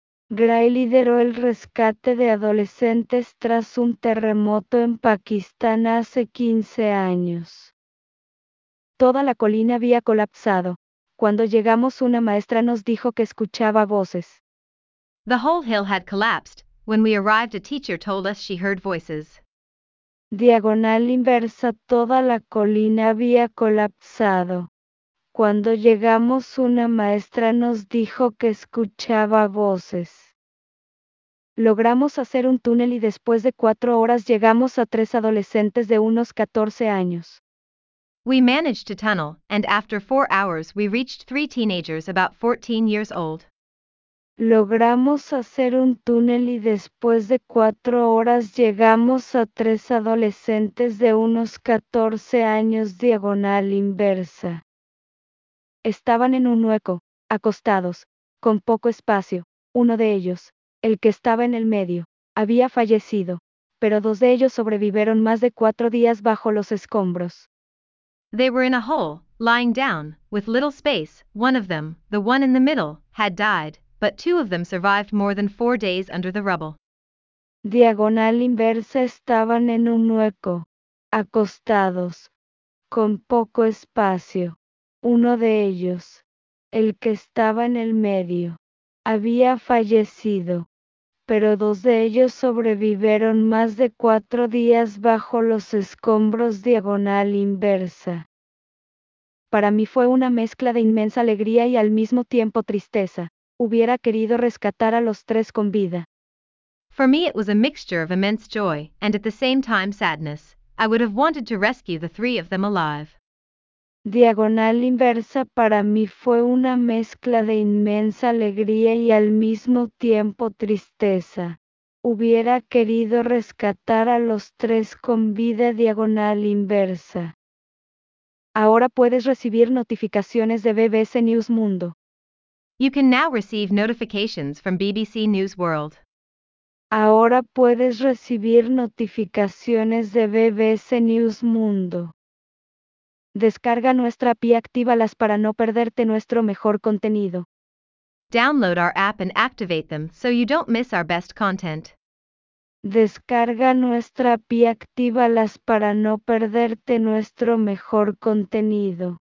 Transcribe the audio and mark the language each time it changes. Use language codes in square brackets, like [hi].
[es] Gray lideró el rescate de adolescentes tras un terremoto en Pakistán hace 15 años. Toda la colina había colapsado. Cuando llegamos, una maestra nos dijo que escuchaba voces. [en] The whole hill had collapsed. When we arrived, a teacher told us she heard voices. [es] Diagonal inversa, toda la colina había colapsado. Cuando llegamos, una maestra nos dijo que escuchaba voces. Logramos hacer un túnel y después de 4 horas llegamos a 3 adolescentes de unos 14 años. [en] We managed to tunnel, and after 4 hours we reached 3 teenagers about 14 years old. [es] Logramos hacer un túnel y después de 4 horas llegamos a 3 adolescentes de unos 14 años. Diagonal inversa. Estaban en un hueco, acostados, con poco espacio. Uno de ellos, el que estaba en el medio, había fallecido, pero dos de ellos sobrevivieron más de cuatro días bajo los escombros. [en] They were in a hole, lying down, with little space. One of them, the one in the middle, had died, but two of them survived more than 4 days under the rubble. [es] Diagonal inversa estaban en un hueco, acostados, con poco espacio. Uno de ellos, el que estaba en el medio, había fallecido, pero dos de ellos sobrevivieron más de cuatro días bajo los escombros diagonal inversa. Para mí fue una mezcla de inmensa alegría y al mismo tiempo tristeza. Hubiera querido rescatar a los tres con vida. [en] For me it was a mixture of immense joy and at the same time sadness. I would have wanted to rescue the three of them alive. [es] Diagonal inversa para mí fue una mezcla de inmensa alegría y al mismo tiempo tristeza. Hubiera querido rescatar a los tres con vida diagonal inversa. Ahora puedes recibir notificaciones de BBC News Mundo. [en] You can now receive notifications from BBC News World. [es] Ahora puedes recibir notificaciones de BBC News Mundo. Descarga nuestra app y actívalas para no perderte nuestro mejor contenido. [en] Download our app and activate them so you don't miss our best content. [es] Descarga nuestra app y actívalas para no perderte nuestro mejor contenido.